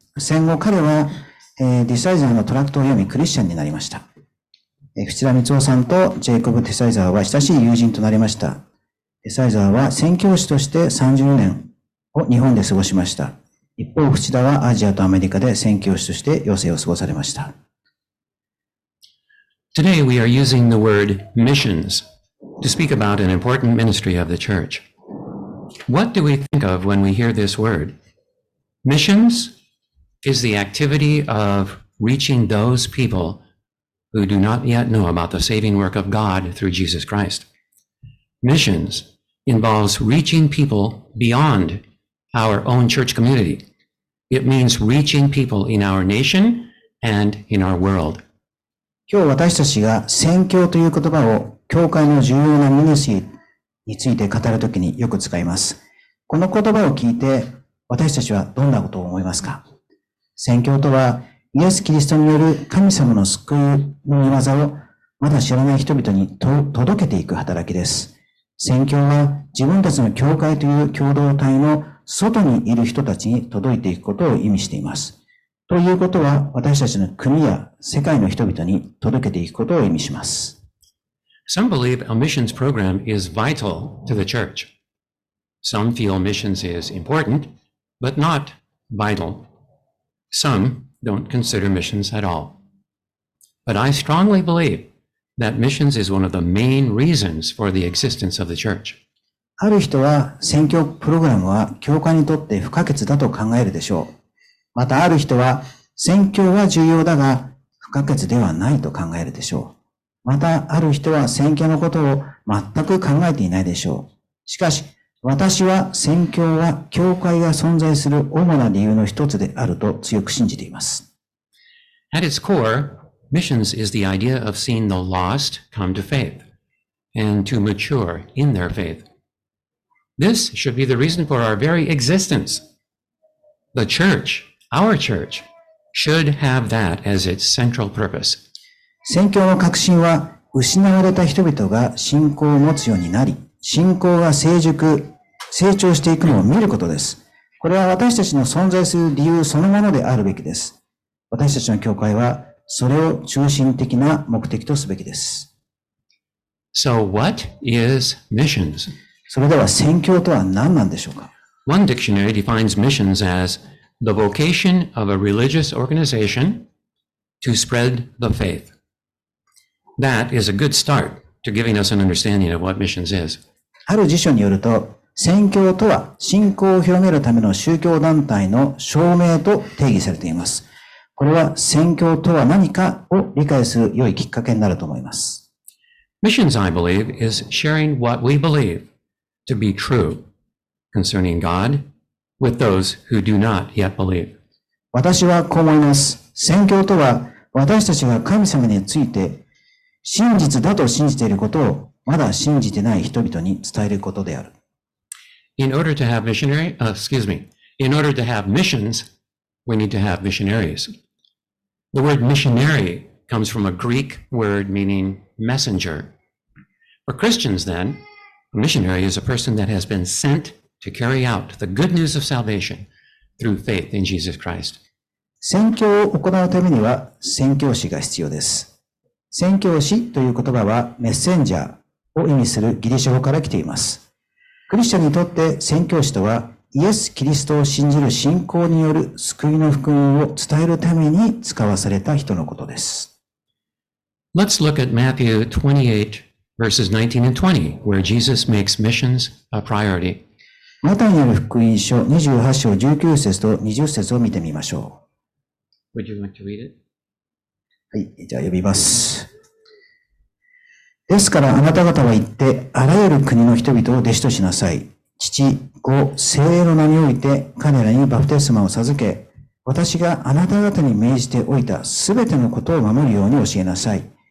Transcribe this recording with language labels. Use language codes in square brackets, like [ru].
[ja] 戦後彼は、ディサイザーのトラクトを読みクリスチャンになりました。内田光雄さんとジェイコブ・ディサイザーは親しい友人となりました。ディサイザーは宣教師として30年を日本で過ごしました。一方、内田はアジアとアメリカで宣教師として余生を過ごされました。 [en] Today we are using the word missions to speak about an important ministry of the church. What do we think of when we hear this word? Missions is the activity of reaching those people who do not yet know about the saving work of God through Jesus Christ. Missions involves reaching people beyond our own church community. It means reaching people in our nation and in our world. [ja] 今日私たちが宣教という言葉を教会の重要なミニシーについて語るときによく使います。この言葉を聞いて私たちはどんなことを思いますか？宣教とはイエス・キリストによる神様の救いの御業をまだ知らない人々に届けていく働きです。宣教は自分たちの教会という共同体の外にいる人たちに届いていくことを意味しています。ということは、私たちの国や世界の人々に届けていくことを意味します。 [en] Some believe a missions program is vital to the church. Some feel missions is important, but not vital. Some don't consider missions at all. But I strongly believe that missions is one of the main reasons for the existence of the church. [ja] ある人は、宣教プログラムは教会にとって不可欠だと考えるでしょう。またある人は、宣教は重要だが、不可欠ではないと考えるでしょう。またある人は、宣教のことを全く考えていないでしょう。しかし、私は宣教は教会が存在する主な理由の一つであると強く信じています。 [en] At its core, missions is the idea of seeing the lost come to faith and to mature in their faith. This should be the reason for our very existence. The church, our church, should have that as its central purpose. [ja] 宣教の核心は、失われた人々が信仰を持つようになり、信仰が成長していくのを見ることです。これは私たちの存在する理由そのものであるべきです。私たちの教会は、それを中心的な目的とすべきです。 [en] So what is missions? [ja] それでは宣教とは何なんでしょうか？ [en] One dictionary defines missions as the vocation of a religious organization to spread the faith. That is a good start to giving us an understanding of what missions is. [ja] ある辞書によると、宣教とは信仰を広めるための宗教団体の証明と定義されています。これは宣教とは何かを理解する良いきっかけになると思います。 [en] Missions, I believe, is sharing what we believe to be true. Concerning God with those who do not yet believe. [ja] 私はこう思います。宣教とは私たちが神様について真実だと信じていることをまだ信じてない人々に伝えることである。 [en] In order to have missions, we need to have missionaries. The word missionary comes from a Greek word meaning messenger. For Christians then, a missionary is a person that has been sent. To carry out the good news of salvation through faith in Jesus Christ. [ja] 宣教を行うためには宣教師が必要です。宣教師という言葉はメッセンジャーを意味するギリシャ語から来ています。クリスチャンにとって宣教師とはイエス・キリストを信じる信仰による救いの福音を伝えるために使わされた人のことです。 [en] Let's look at Matthew 28 verses 19 and 20 where Jesus makes missions a priority. [ja] マタイによる福音書28章19節と20節を見てみましょう。 [en] Would you like to read it? [ja] はい、じゃあ読みます。ですからあなた方は言って、あらゆる国の人々を弟子としなさい。父、子、聖霊の名において彼らにバプテスマを授け、私があなた方に命じておいたすべてのことを守るように教えなさい。